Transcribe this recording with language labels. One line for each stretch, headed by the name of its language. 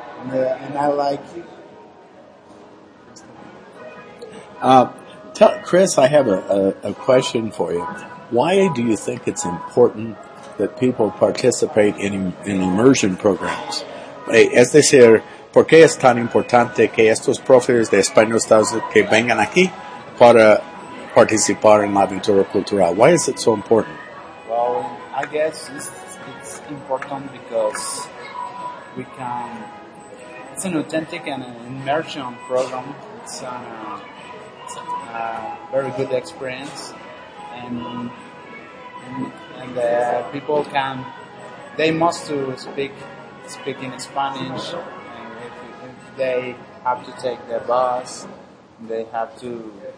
English: And I like you. Chris, I have a question for you. Why do you think it's important that people participate in immersion programs?
Spanish: Es decir, ¿por qué es tan importante que estos profes de español Estados Unidos que vengan aquí para participar en la aventura cultural?
English: Why is it so important? Well, I guess it's important because it's an authentic and an immersion program. It's an very good experience, and people can, they must to speak in Spanish, and if they have to take the bus, they have to